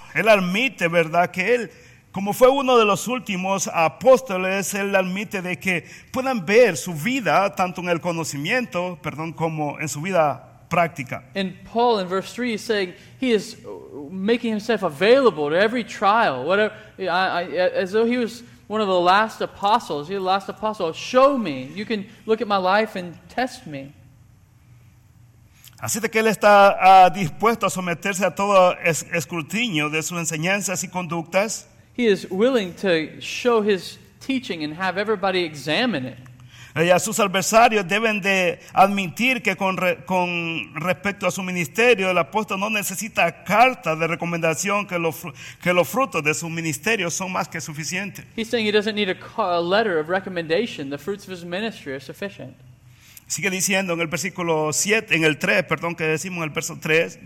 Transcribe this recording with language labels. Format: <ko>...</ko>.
<es>Él admite, ¿verdad?, que él, como fue uno de los últimos apóstoles, él admite de que puedan ver su vida, tanto en el conocimiento, perdón, como en su vida práctica.</es> <en>And Paul, in verse 3, is saying he is making himself available to every trial, whatever, as though he was one of the last apostles. He's the last apostle. Show me. You can look at my life and test me.</en> <es>Así de que él está dispuesto a someterse a todo escrutinio de sus enseñanzas y conductas.</es> <en>He is willing to show his teaching and have everybody examine it.</en> <es>Y a sus adversarios deben de admitir que con respecto a su ministerio, el apóstol no necesita carta de recomendación, que los frutos de su ministerio son más que suficientes.</es> <en>He's saying he doesn't need a letter of recommendation. The fruits of his ministry are sufficient.</en> <es>Sigue diciendo en el versículo 7, en el 3, perdón, que decimos en el verso 3.</es>